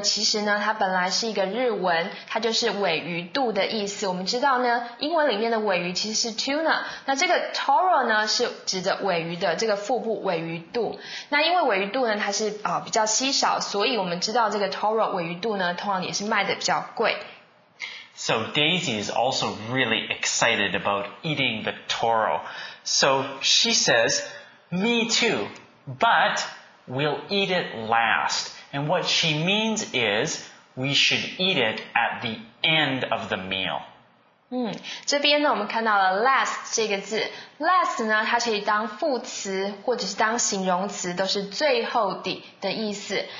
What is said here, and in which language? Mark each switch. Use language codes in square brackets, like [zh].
[zh] 其实呢，它本来是一个日文，它就是尾鱼肚的意思。我们知道呢，英文里面的尾鱼其实是 tuna， 那这个 toro 呢是指的尾鱼的这个腹部尾鱼肚。那因为尾鱼肚呢它是比较稀少，所以我们知道这个 toro 尾鱼肚呢通常也是卖的比较贵。 [en] So Daisy is also really excited about eating the toro. So she says, "Me too, but we'll eat it last." And what she means is.We should eat it at the end of the meal. [zh] 这边呢我们看到了 last 这个字， last 呢它可以当副词或者是当形容词，都是最后的的意思。